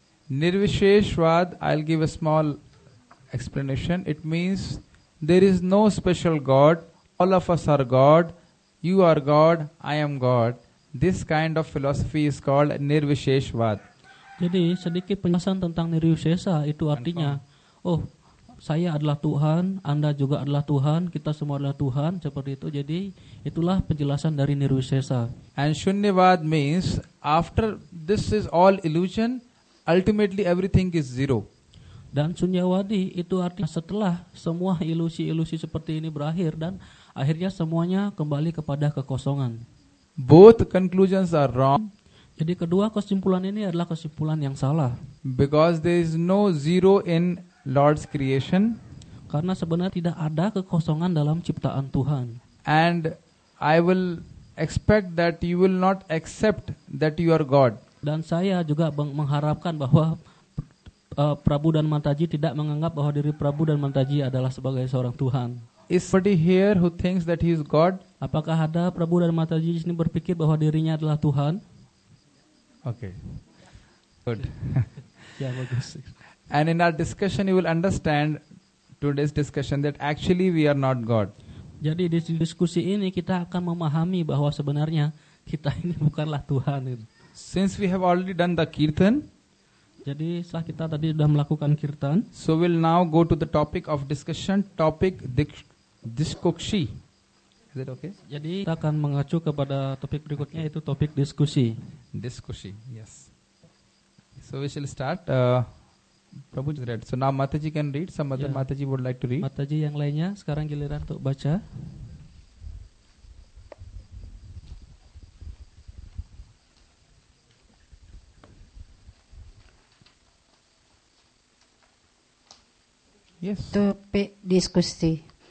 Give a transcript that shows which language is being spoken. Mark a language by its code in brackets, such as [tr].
[en] Nirvisheshwad, I'll give a small explanation. It means there is no special God, all of us are God, you are God, I am God. This kind of philosophy is called Nirvisheshwad. [id] Jadi sedikit penjelasan tentang Nirvishesha, itu artinya, oh saya adalah Tuhan, Anda juga adalah Tuhan, kita semua adalah Tuhan, seperti itu. Jadi itulah penjelasan dari Nirvishesha. [en] And Shunyavad means after this is all illusion, ultimately everything is zero. [id] Dan Shunyavadi itu artinya setelah semua ilusi-ilusi seperti ini berakhir dan akhirnya semuanya kembali kepada kekosongan. [en] Both conclusions are wrong. [id] Jadi kedua kesimpulan ini adalah kesimpulan yang salah. [en] Because there is no zero in Lord's creation. [id] Karena sebenarnya tidak ada kekosongan dalam ciptaan Tuhan. [en] And I will expect that you will not accept that you are God. [id] Dan saya juga mengharapkan bahwa Prabhu dan Mataji tidak menganggap bahwa diri Prabhu dan Mataji adalah sebagai seorang Tuhan. [en] Is somebody here who thinks that he is God? [id] Apakah ada Prabhu dan Mataji di sini berpikir bahwa dirinya adalah Tuhan? [en] Okay. Good. [id] Ya, bagus. [en] And in our discussion you will understand today's discussion that actually we are not God. [id] Jadi di diskusi ini kita akan memahami bahwa sebenarnya kita ini bukanlah Tuhan. [en] Since we have already done the kirtan, [id] jadi setelah kita tadi sudah melakukan kirtan, [en] so we'll now go to the topic of discussion, topic diskusi. Is it okay? [id] Jadi kita akan mengacu kepada topik berikutnya, yaitu topik diskusi. [en] Diskusi, yes. So we shall start. Prabhu just read. So now Mataji can read. Some other Mataji would like to read. [id] Mataji yang lainnya sekarang giliran untuk baca. [en] Yes. [id] Topik diskusi.